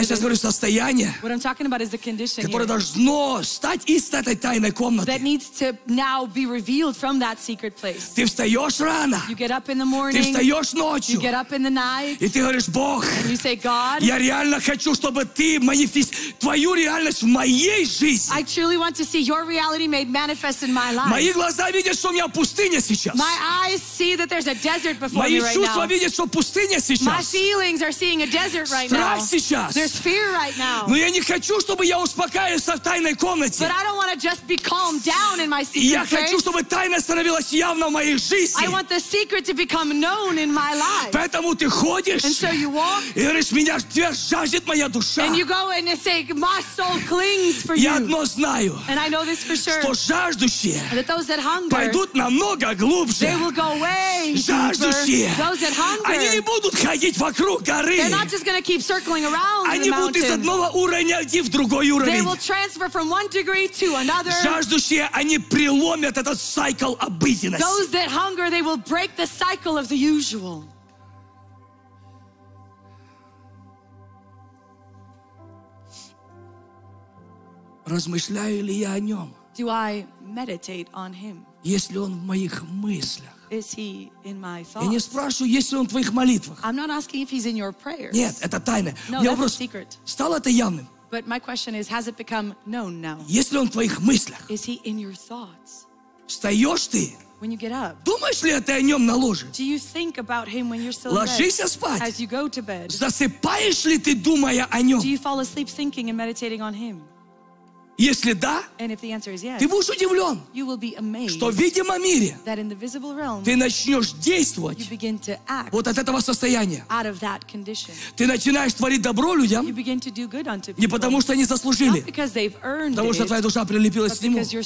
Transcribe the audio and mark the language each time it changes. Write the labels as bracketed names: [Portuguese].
[Russian] я сейчас говорю состояние, [English] what I'm talking about is the condition [Russian] которое [English] here. [Russian] Должно стать из этой тайной комнаты. [English] That needs to now be revealed from that secret place. [Russian] Ты встаешь рано. [English] You get up in the morning. [Russian] Ты встаешь ночью. [English] You get up in the night. [Russian] И ты говоришь, Бог, [English] and you say, God, [Russian] я реально хочу, чтобы ты твою реальность в моей жизни. [English] I truly want to see your reality made manifest. [Russian] Мои глаза видят, что у меня пустыня сейчас. [English] My eyes see that there's a desert before [Russian] Мои [English] me right now. [Russian] Мои чувства видят, что пустыня сейчас. [English] My feelings are seeing a desert right [Russian] Страх Страх сейчас. [English] There's fear right now. [Russian] Но я не хочу, чтобы я успокаивался в тайной комнате. [English] But I don't want to just be calmed down in my secret [Russian] я [English] place. [Russian] Я хочу, чтобы тайна становилась явна в моей жизни. [English] I want the secret to become known in my life. [Russian] Поэтому ты ходишь. [English] And so you walk. [Russian] И говоришь, меня жаждет моя душа. [English] And you go and you say, my soul clings for [Russian] я [English] you. [Russian] Я одно знаю. [English] And I know this for sure. [Russian] Что жаждет [English] That those that hunger, [Russian] пойдут намного глубже. [English] They will go way [Russian] жаждущие. [English] Those that hunger, [Russian] они не будут ходить вокруг горы. [English] They're not just gonna keep circling around [Russian] они [English] the mountain. [Russian] Будут из одного уровня идти в другой уровень. [English] They will transfer from one degree to another. [Russian] Жаждущие, они преломят этот цикл обыденности. [English] Those that hunger, they will break the cycle of the usual. [Russian] Размышляю ли я о нем? [English] Do I meditate on him? [Russian] Если он в моих мыслях. [English] Is he in my thoughts? [Russian] Я не спрашиваю, есть ли он в твоих молитвах. [English] I'm not asking if he's in your prayers. [Russian] Нет, это тайна. [English] No, that's [Russian] вопрос, [English] a secret. [Russian] Стало это явным? [English] But my question is, has it become known now? [Russian] Если он в твоих мыслях. [English] Is he in your thoughts? [Russian] Встаешь ты? [English] When you get up. [Russian] Думаешь ли ты о нем на ложе? [English] Do you think about him when you're still [Russian] Ложись [English] bed, [Russian] спать. [English] As you go to bed. [Russian] Засыпаешь ли ты, думая о нем? [English] Do you fall asleep thinking and meditating on him? [Russian] Если да, [English] yes, [Russian] ты будешь удивлен, [English] amazed, [Russian] что в видимом мире ты начнешь действовать вот от этого состояния. Ты начинаешь творить добро людям не потому, что они заслужили, потому что твоя душа прилепилась к нему.